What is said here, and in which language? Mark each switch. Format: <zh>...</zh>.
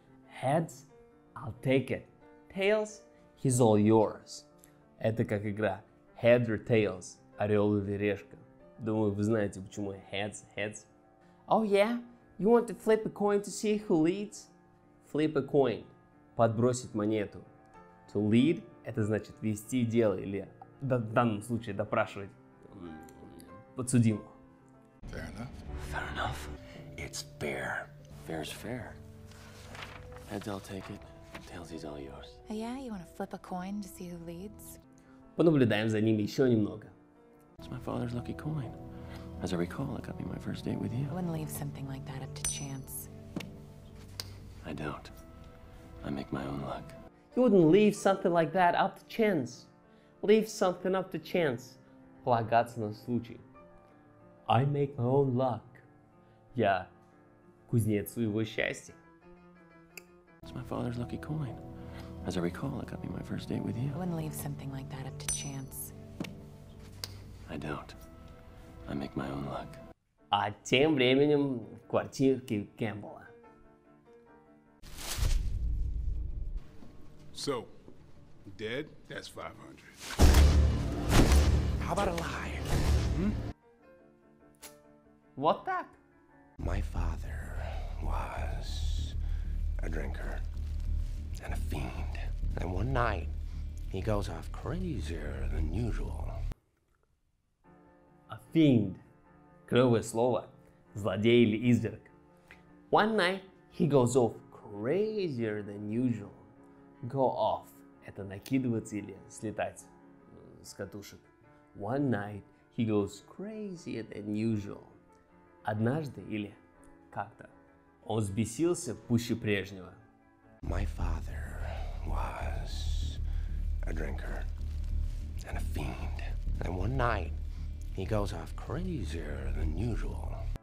<en>Heads, I'll take it. Tails, he's all yours.</en> <ru>Это как игра</ru> <en>heads or tails.</en> <ru>Орел или решка. Думаю, вы знаете, почему heads, heads.</ru> <en>Oh yeah? You want to flip a coin to see who leads? Flip a coin.</en> <ru>Подбросить монету. To lead, это значит вести дело или в данном случае допрашивать подсудимого.</ru> <en>Fair enough. Fair enough. It's fair. Fair's fair. Heads, I'll take it. Tails, he's all yours. Yeah, you want to flip a coin to see who leads?</en> <ru>Понаблюдаем за ними еще немного.</ru> <en>It's my father's lucky coin. As I recall, it got me my first date with you. I wouldn't leave something like that up to chance. I don't. I make my own luck. You wouldn't leave something like that up to chance. Leave something up to chance.</en> <ru>Полагаться на случай.</ru> <en>I make my own luck.</en> <ru>Я кузнец своего счастья.</ru> <en>It's my father's lucky coin. As I recall, it got me my first date with you. I wouldn't leave something like that up to chance. I don't. I make my own luck.</en> <ru>А тем временем в квартирке Кэмпбелла.</ru> <en>So, dead? That's 500. How about a lie? Hmm? What that? My father was a drinker and a fiend. And one night, he goes off crazier than usual.</en> <ru>A fiend. Клевое слово. Злодей или изверг.</ru> <en>One night, he goes off crazier than usual. Go off.</en> <ru>Это накидываться или слетать с катушек.</ru> <en>One night, he goes crazier than usual.</en> <ru>Однажды или как-то он взбесился пуще прежнего.</ru> <en>My father was a drinker and a fiend. And one night he goes off crazier than usual.</en>